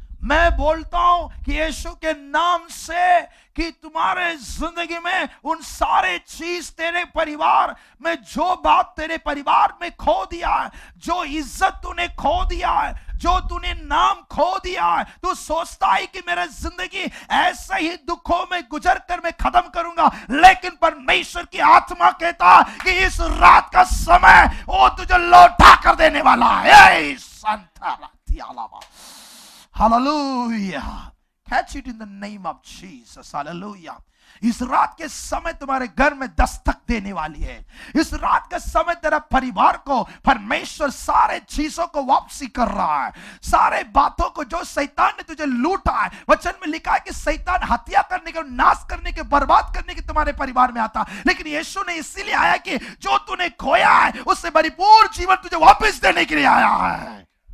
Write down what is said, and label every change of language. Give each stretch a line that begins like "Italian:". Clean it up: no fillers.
Hindi: मैं बोलता हूं कि यीशु के नाम से कि तुम्हारे जिंदगी में उन सारे चीज, तेरे परिवार में जो बात तेरे परिवार में खो दिया है, जो इज्जत तूने खो दिया है, जो तूने नाम खो दिया है, तू सोचता है कि मेरा जिंदगी ऐसे ही दुखों में गुजर कर मैं खत्म करूंगा, लेकिन परमेश्वर की आत्मा कहता कि इस रात का समय वो तुझे लौटा कर देने वाला है। संतरा Hallelujah.
English: Catch it in the name of Jesus.
Hindi: Hallelujah. इस रात के समय तुम्हारे घर में दस्तक देने वाली है। इस रात के समय तेरा परिवार को परमेश्वर सारे चीजों को वापसी कर रहा है, सारे बातों को जो सैतान ने तुझे लूटा है। वचन में लिखा है कि सैतान हत्या करने के, नाश करने के, बर्बाद करने के तुम्हारे परिवार में आता, लेकिन यीशु ने इसीलिए आया कि जो तूने खोया है उससे परिपूर्ण जीवन तुझे वापिस देने के लिए आया है।